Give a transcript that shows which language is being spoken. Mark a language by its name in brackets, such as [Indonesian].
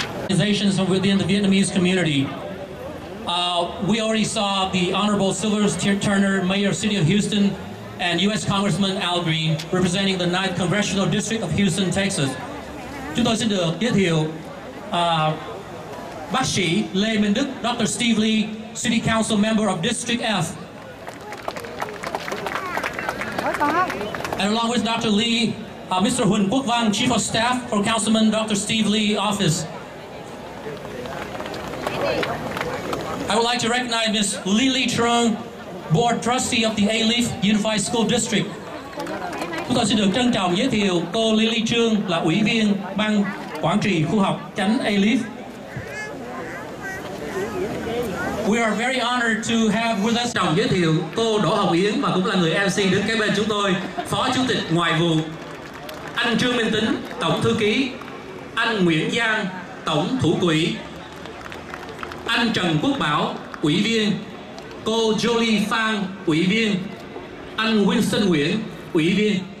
[English] Organizations from within the Vietnamese community. We already saw the Honorable Silver Turner, Mayor of City of Houston, and U.S. Congressman Al Green representing the 9th Congressional District of Houston, Texas. [Vietnamese] Chúng tôi xin được giới thiệu bác sĩ Lê Minh Đức, Dr. [English] Steve Lee, City Council Member of District F. And along with Dr. Lee, Mr. Huỳnh Quốc Văn, Chief of Staff for Councilman Dr. Steve Lee office. I would like to recognize Ms. Lily Trung, Board Trustee of the A-Leaf Unified School District. [Vietnamese] Chúng tôi xin được trân trọng giới thiệu cô Lily Trung là Ủy viên Ban Quản trị khu học chánh A-Leaf. [English] We are very honored to have with us [Vietnamese] trọng giới thiệu cô Đỗ Hồng Yến mà cũng là người MC đứng kế bên chúng tôi, Phó Chủ tịch Ngoại vụ, anh Trương Minh Tính, Tổng Thư ký, anh Nguyễn Giang, Tổng Thủ quỹ, anh Trần Quốc Bảo, Ủy viên, cô Jolie Phan, Ủy viên, anh Winston Nguyễn, Ủy viên.